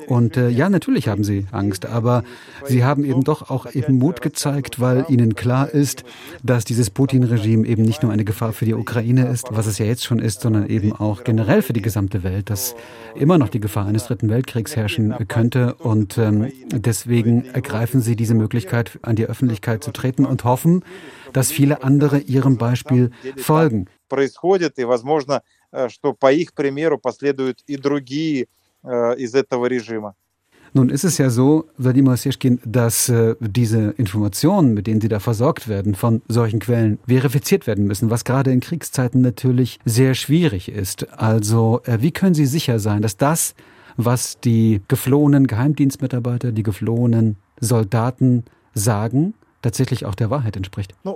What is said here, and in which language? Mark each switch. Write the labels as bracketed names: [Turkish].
[German] Und ja, natürlich haben sie Angst, aber sie haben eben doch auch eben Mut gezeigt, weil ihnen klar ist, dass dieses Putin-Regime eben nicht nur eine Gefahr für die Ukraine ist, was es ja jetzt schon ist, sondern eben auch generell für die gesamte Welt, dass immer noch die Gefahr eines Dritten Weltkriegs herrschen könnte. Und deswegen ergreifen sie diese Möglichkeit, an die Öffentlichkeit zu treten und hoffen, dass viele andere ihrem Beispiel folgen. [Russian] Происходит, и возможно, что по их примеру последуют и другие из этого режима. [German] Nun ist es ja so, Wladimir Osechkin, dass diese Informationen, mit denen Sie da versorgt werden, von solchen Quellen verifiziert werden müssen, was gerade in Kriegszeiten natürlich sehr schwierig ist. Also, wie können Sie sicher sein, dass das, was die geflohenen Geheimdienstmitarbeiter, die geflohenen Soldaten sagen, tatsächlich auch der Wahrheit entspricht?